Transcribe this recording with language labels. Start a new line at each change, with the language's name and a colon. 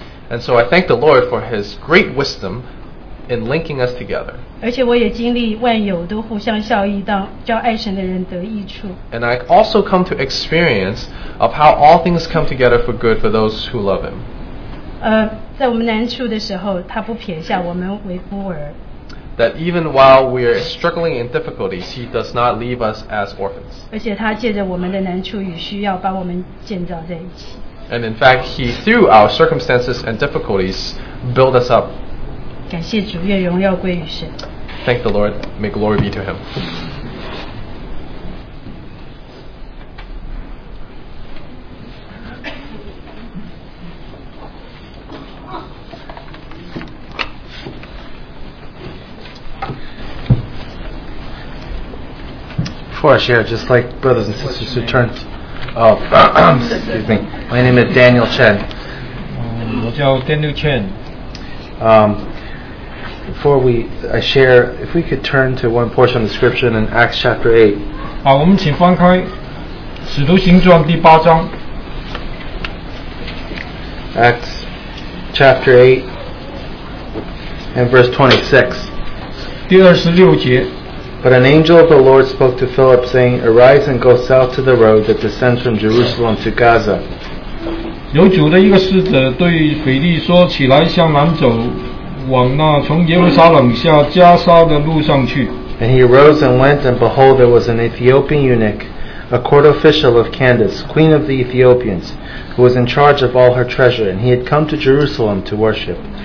English: And so I thank the Lord for His great wisdom in linking us together.
Chinese: 而且我也经历万有都互相效益，叫爱神的人得益处。
English: And I also come to experience of how all things come together for good for those who love Him.
Chinese: 在我们难处的时候，他不撇下我们为孤儿。
English: That even while we are struggling in difficulties, He does not leave us as orphans.
Chinese: 而且他借着我们的难处与需要，把我们建造在一起。
English: And in fact, He, through our circumstances and difficulties, built us up.
Chinese: 感谢主，愿荣耀归于神。
English: Thank the Lord. May glory be to Him. Before I share, I'd just like brothers and sisters to turn. excuse me. My name is Daniel Chen.
Chinese: 我叫 Daniel Chen.
English: Before I share, if we could turn to one portion of the scripture in Acts chapter 8.
Chinese: 好，我们请翻开《使徒行传》第八章。
English: Acts chapter 8 and verse 26.
Chinese: 第26节。
English: But an angel of the Lord spoke to Philip, saying, Arise and go south to the road that descends from Jerusalem to Gaza.
Chinese: 有酒的一个使者对腓力说，起来向南走，往那从耶路撒冷下加沙的路上去。
English: And he arose and went, and behold, there was an Ethiopian eunuch, a court official of Candace, queen of the Ethiopians, who was in charge of all her treasure, and he had come to Jerusalem to worship.